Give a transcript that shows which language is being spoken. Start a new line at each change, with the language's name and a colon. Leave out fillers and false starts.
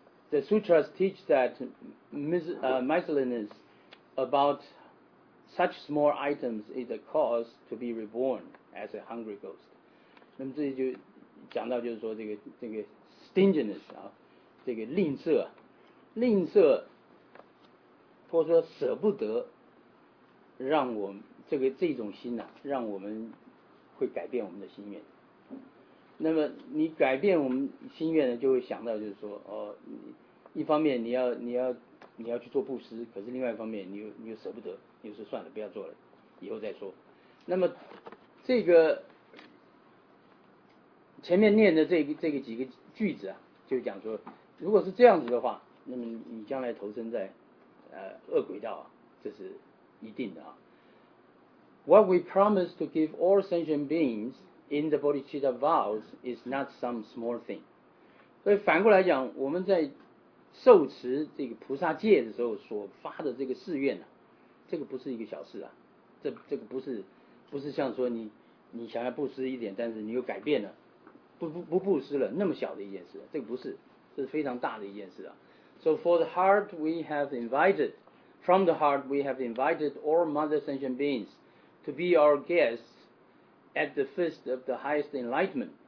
English: The sutras teach that miserliness about such small items is a cause to be reborn as a hungry ghost.
Chinese: 那么这就讲到就是说这个 stinginess 啊，这个吝啬，或者说舍不得，让我们这种心呐、啊，让我们会改变我们的心愿。那么你改变我们心愿呢，就会想到就是说，哦，一方面你要去做布施，可是另外一方面你又舍不得，你就说算了，不要做了，以后再说。那么这个前面念的这个几个句子啊，就讲说，如果是这样子的话，那么你将来投身在恶鬼道啊，这是一定的啊。
English: What we promise to give all sentient beings in the Bodhicitta vows is not some small thing.
Chinese: 所以反过来讲，我们在受持这个菩萨戒的时候所发的这个誓愿呢、啊，这个不是一个小事啊，这个不是像说你想要布施一点，但是你又改变了。不布施了，那么小的一件事，这个不是，这是非常大的一件事啊。
English: So for the heart we have invited, from the heart we have invited all mother sentient beings to be our guests at the feast of the highest enlightenment.